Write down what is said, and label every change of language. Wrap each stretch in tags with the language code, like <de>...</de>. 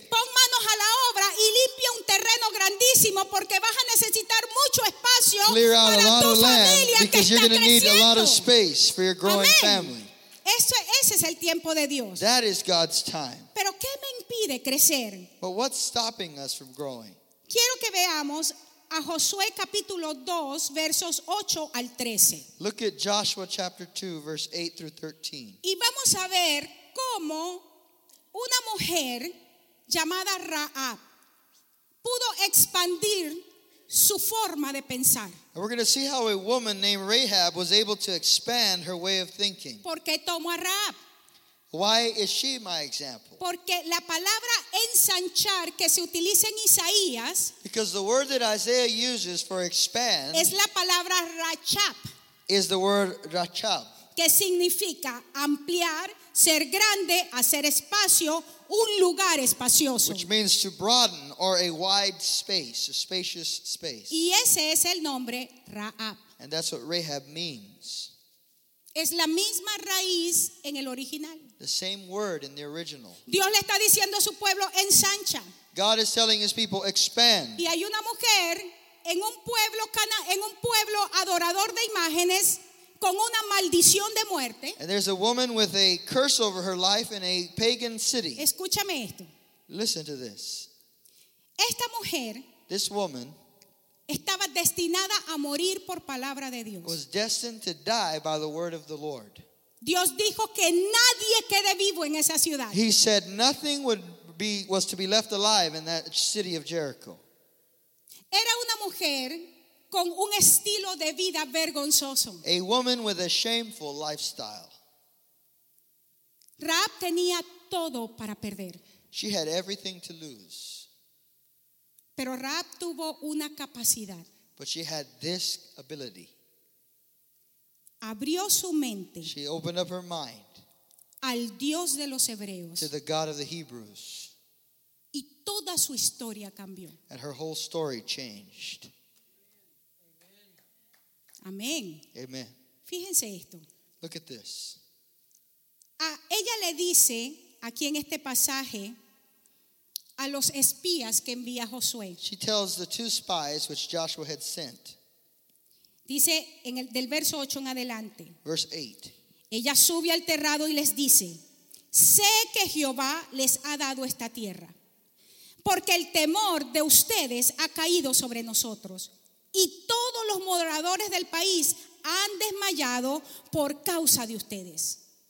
<es>Pon manos a la obra y limpia un terreno grandísimo porque vas a necesitar mucho espacio para tu familia que está creciendo.</es> <en>Because you're going to need a lot of space for your growing family.</en> <es>Ese es el tiempo de Dios.</es> <en>That is God's time.</en> <es>Pero ¿qué me impide crecer?</es> <en>But what's stopping us from growing?</en> <es>Quiero que veamos a Josué capítulo 2 versos 8 al 13.</es> <en>Look at Joshua chapter 2 verse 8 through 13.</en> <es>Y vamos a ver cómo una mujer llamada Rahab pudo expandir su forma de pensar.</es> <en>And we're going to see how a woman named Rahab was able to expand her way of thinking.</en> <es>¿Por qué tomo a Rahab?</es> <en>Why is she my example?</en> <es>Porque la palabra ensanchar que se utiliza en Isaías,</es> <en>because the word that Isaiah uses for expand,</en> <es>es la palabra rachab,</es> <en>is the word rachab,</en> <es>que significa ampliar, ser grande, hacer espacio, un lugar espacioso,</es> <en>which means to broaden or a wide space, a spacious space.</en> <es>Y ese es el nombre Rahab.</es> <en>And that's what Rahab means.</en> <es>Es la misma raíz en el original.</es> <en>The same word in the original.</en> <es>Dios le está diciendo a su pueblo, ensancha.</es> <en>God is telling his people, expand.</en> <es>Y hay una mujer en un pueblo adorador de imágenes con una maldición de muerte.</es> <en>And there's a woman with a curse over her life in a pagan city.</en> <es>Escúchame esto.</es> <en>Listen to this.</en> <es>Esta mujer,</es> <en>this woman,</en> <es>estaba destinada a morir por palabra de Dios.</es> <en>Was destined to die by the word of the Lord.</en> <es>Dios dijo que nadie quede vivo en esa ciudad.</es> <en>He said nothing was to be left alive in that city of Jericho.</en> <es>Era una mujer con un estilo de vida vergonzoso.</es> <en>A woman with a shameful lifestyle.</en> <es>Rahab tenía todo para perder.</es> <en>She had everything to lose.</en> <es>Pero Rahab tuvo una capacidad.</es> <en>But she had this ability.</en> <es>Abrió su mente.</es> <en>She opened up her mind.</en> <es>Al Dios de los Hebreos.</es> <en>To the God of the Hebrews.</en> <es>Y toda su historia cambió.</es> <en>And her whole story changed.</en> <es>Amén.</es> <en>Amen.</en> <es>Fíjense esto.</es> <en>Look at this.</en> <es>A ella le dice aquí en este pasaje a los espías que envía Josué.</es> <en>She tells the two spies which Joshua had sent.</en> <es>Dice en el del verso 8 en adelante.</es> <en>Verse 8.</en> <es>Ella sube al terrado y les dice: sé que Jehová les ha dado esta tierra, porque el temor de ustedes ha caído sobre nosotros, y todos los moradores del país han desmayado por causa de ustedes.</es>